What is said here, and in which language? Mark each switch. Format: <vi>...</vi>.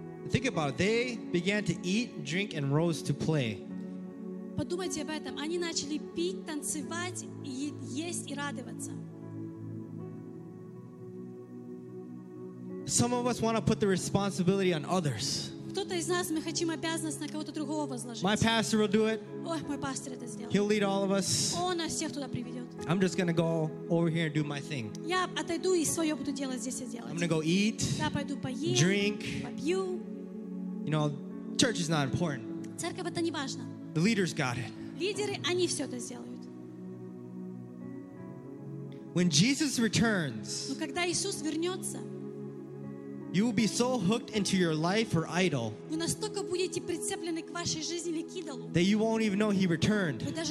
<en>Think about it. They began to eat, drink, and rose to play.</en> <ru>Подумайте об этом. Они начали пить, танцевать, есть и радоваться.</ru> <en>Some of us want to put the responsibility on others.</en> <ru>Кто-то из нас, мы хотим обязанность на кого-то другого возложить.</ru> <en>My pastor will do it.</en> <ru>Ой, мой пастор это сделает.</ru> <en>He'll lead all of us.</en> <ru>Он нас всех туда приведет.</ru> <en>I'm just gonna go over here and do my thing.</en> <ru>Я отойду и свое буду делать здесь и делать.</ru> <en>I'm gonna go eat.</en> <ru>Я пойду поем.</ru> <en>Drink.</en> <ru>Попью.</ru> <en>You know, church is not important.</en> <ru>Церковь это не важно.</ru> <en>The leaders got it.</en> <ru>Лидеры, они все это сделают.</ru> <en>When Jesus returns.</en> <ru>Но когда Иисус вернется.</ru> <en>You will be so hooked into your life or idol that you won't even know he returned.</en>